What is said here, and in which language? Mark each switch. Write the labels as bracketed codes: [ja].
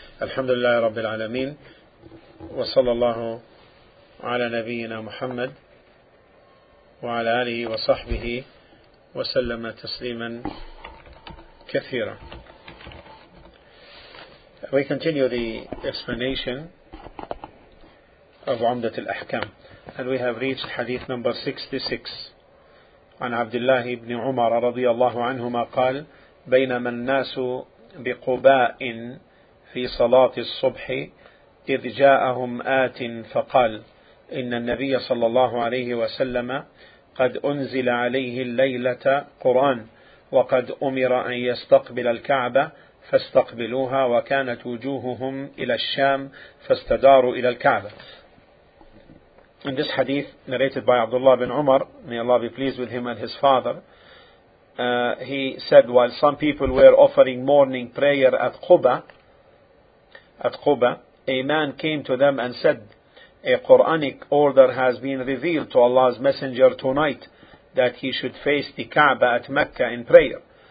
[ar] الحمد لله رب العالمين، وصلى الله على نبينا محمد وعلى آله وصحبه وسلم تسليما كثيرا. [en] We continue the explanation of عمدة الأحكام, and we have reached hadith number 66. [ar] عن عبد الله بن عمر رضي الله عنهما قال: بينما الناس بقباء في صلاة الصبح إذ جاءهم آت فقال: إن النبي صلى الله عليه وسلم قد أنزل عليه الليلة قرآن، وقد أمر أن يستقبل الكعبة فاستقبلوها، وكانت وجوههم إلى الشام فاستداروا إلى الكعبة. [en] In this hadith narrated by Abdullah bin Umar, may Allah be pleased with him and his father, he said, while some people were offering morning prayer at Quba, a man came to them and said, a Quranic order has been revealed to Allah's messenger tonight that he should face the Kaaba at Mecca in prayer.